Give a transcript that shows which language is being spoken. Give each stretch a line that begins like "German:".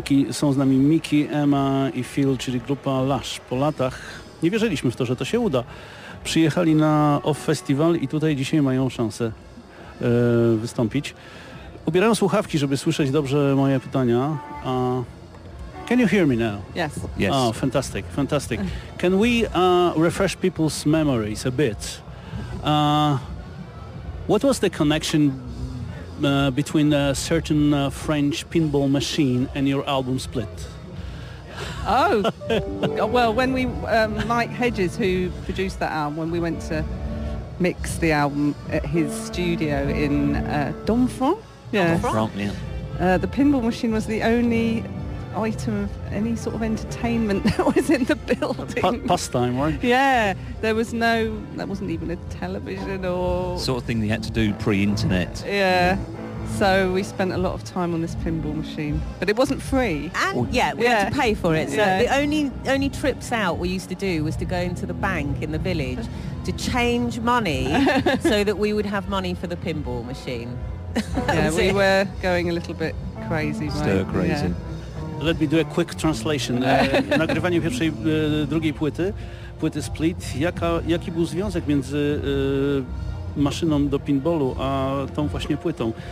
Polish: Są z nami Miki, Emma i Phil, czyli grupa Lush. Po latach nie wierzyliśmy w to, że to się uda. Przyjechali na OFF Festival i tutaj dzisiaj mają szansę wystąpić. Ubierają słuchawki, żeby słyszeć dobrze moje pytania.
English: Can you hear me now? Yes. Yes. Oh, fantastic, fantastic. Can we refresh people's memories a bit? What was the connection between a certain French pinball machine and your album Split? Oh, well, when we, Mike Hedges, who produced that album, when we went to mix the album at his studio in Domfront, the pinball machine was the only item of any sort of entertainment that was in the building. Pastime, right? Yeah, there was no, there wasn't even a television or... Sort of thing they had to do pre-internet. Yeah. So we spent a lot of time on this pinball machine, but it wasn't free. And we had to pay for it. So the only trips out we used to do was to go into the bank in the village to change money so that we would have money for the pinball machine. Yeah, we were going a little bit crazy. Stir crazy. Yeah. Let me do a quick translation.
Polish: Nagrywanie pierwszej, drugiej płyty, płyty Split. Jaki był związek między... maszyną do pinballu, a tą właśnie płytą.